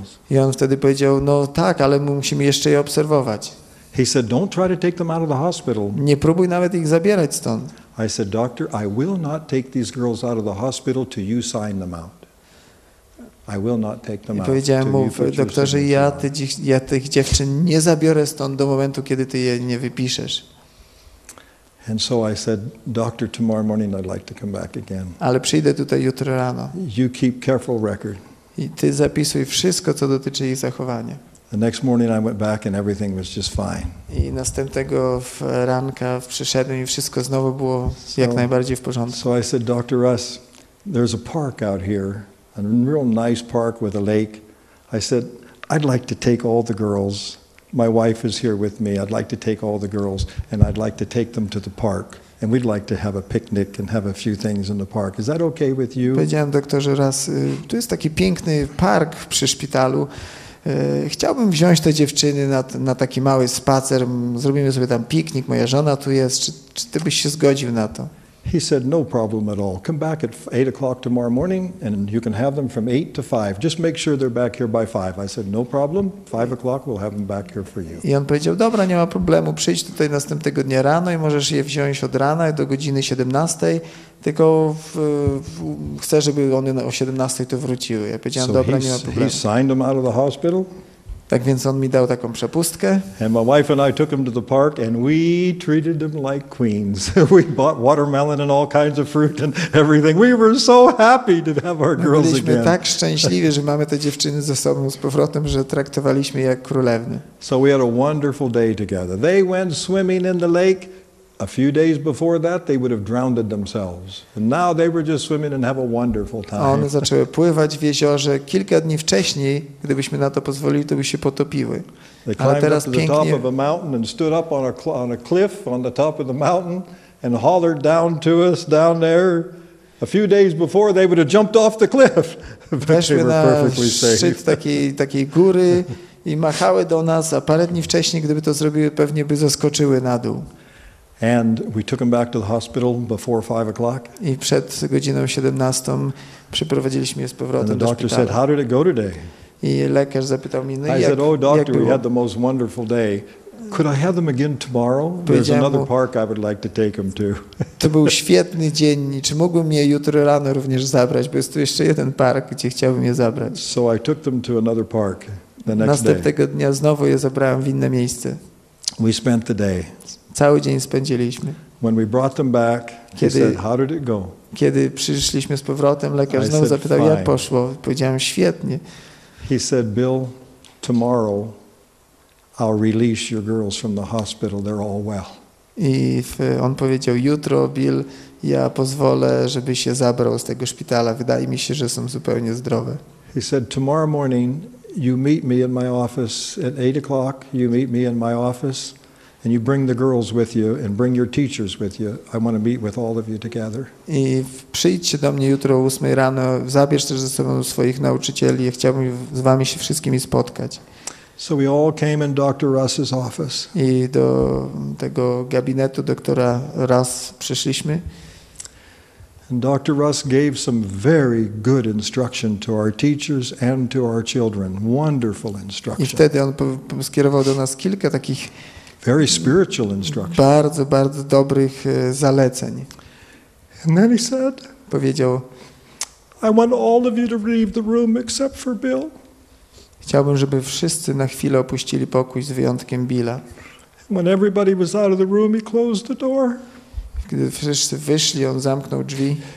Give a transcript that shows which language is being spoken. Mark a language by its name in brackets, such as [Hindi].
[Polish] I on wtedy powiedział, no tak, ale my musimy jeszcze je obserwować. [English] He said, don't try to take them out of the hospital. [Polish] Nie próbuj nawet ich zabierać stąd. [English] I said, doctor, I will not take these girls out of the hospital till you sign them out. I will not take them out. [Polish] I powiedziałem mu, doktorze, ja tych dziewczyn nie zabiorę stąd do momentu, kiedy ty je nie wypiszesz. [English] And so I said, doctor, tomorrow morning I'd like to come back again. [Polish] Ale przyjdę tutaj jutro rano. [English] You keep careful record. [Polish] I ty zapisuj wszystko, co dotyczy ich zachowania. [English] The next morning I went back and everything was just fine. [Polish] I następnego ranka przyszedłem i wszystko znowu było jak najbardziej w porządku. [English] So I said, Dr. Russ, there's a park out here, a real nice park with a lake. I said, I'd like to take all the girls. My wife is here with me. I'd like to take all the girls and I'd like to take them to the park. And we'd like to have a picnic and have a few things in the park. Is that okay with you? [Polish] Powiedziałem doktorze raz, tu jest taki piękny park przy szpitalu. Chciałbym wziąć te dziewczyny na taki mały spacer. Zrobimy sobie tam piknik. Moja żona tu jest. Czy ty byś się zgodził na to? [English] He said, no problem at all. Come back at 8 o'clock tomorrow morning and you can have them from 8 to 5. Just make sure they're back here by 5. I said, no problem. 5 o'clock, we'll have them back here for you. [Polish] I on powiedział, dobra, nie ma problemu. Przyjdź tutaj następnego dnia rano i możesz je wziąć od rana do godziny 17. Tylko chcę, żeby one o 17 tu wróciły. Ja powiedziałem, [English] so [Polish] dobra, nie ma problemu. [English] He signed them out of the hospital. [Polish] Tak więc on mi dał taką przepustkę. [English] And my wife and I took him to the park and we treated him like queens. We bought watermelon and all kinds of fruit and everything. We were so happy to have our girls again. [Polish] Byliśmy tak szczęśliwi, że mamy te dziewczyny ze sobą z powrotem, że traktowaliśmy je jak królewny. [English] So we had a wonderful day together. They went swimming in the lake. A few days before that they would have drowned themselves. And now they were just swimming and have a wonderful time. [Polish] A one zaczęły pływać w jeziorze kilka dni wcześniej, gdybyśmy na to pozwolili, to by się potopiły. [English] They climbed up to the top of a mountain and stood up on a cliff on the top of the mountain and hollered down to us down there. A few days before they would have jumped off the cliff. [Polish] Weszły na szczyt takiej góry i machały do nas, a parę dni wcześniej, gdyby to zrobiły, pewnie by zaskoczyły na dół. [English] And we took him back to the hospital before 5 o'clock. [Polish] I przed godziną 17 przyprowadziliśmy je z powrotem do szpitala. [English] And the doctor said, how did it go today? [Polish] I lekarz zapytał mnie, no [English] I said, oh doctor, we had the most wonderful day. Could I have them again tomorrow? There's another park I would like to take them to. [Polish] To był świetny dzień. Czy mógłbym je jutro rano również zabrać? Bo jest tu jeszcze jeden park, gdzie chciałbym je zabrać. [English] So I took them to another park the next day. [Polish] Następnego dnia znowu je zabrałem w inne miejsce. [English] We spent the day. [Polish] Cały dzień spędziliśmy. [English] When we brought them back, [Polish] kiedy, [English] he said, how did it go? [Polish] Kiedy przyszliśmy z powrotem, lekarz znowu zapytał, [English] fine. [Polish] Jak poszło? Powiedziałem, świetnie. [English] He said, Bill, tomorrow I'll release your girls from the hospital. They're all well. [Polish] I on powiedział, jutro, Bill, ja pozwolę, żeby się zabrał z tego szpitala. Wydaje mi się, że są zupełnie zdrowe. [English] He said, tomorrow morning you meet me in my office at 8 o'clock, you meet me in my office, and you bring the girls with you and bring your teachers with you. I want to meet with all of you together. [Polish] I przyjdźcie do mnie jutro o 8 rano, zabierz też ze sobą swoich nauczycieli, ja chciałbym z wami się wszystkimi spotkać. [English] So we all came in Dr. Russ's office. [Polish] I do tego gabinetu doktora Russ przyszliśmy. [English] And Dr. Russ gave some very good instruction to our teachers and to our children. Wonderful instruction. [Polish] I wtedy on skierował do nas kilka takich [English] very spiritual instruction. [Polish] Bardzo, bardzo dobrych zaleceń. [English] And then he said, [Polish] powiedział, [English] I want all of you to leave the room except for Bill. [Polish] Chciałbym, żeby wszyscy na chwilę opuścili pokój z wyjątkiem Billa. [English] When everybody was out of the room, he closed the door. [Polish] Gdy wszyscy wyszli, on zamknął drzwi.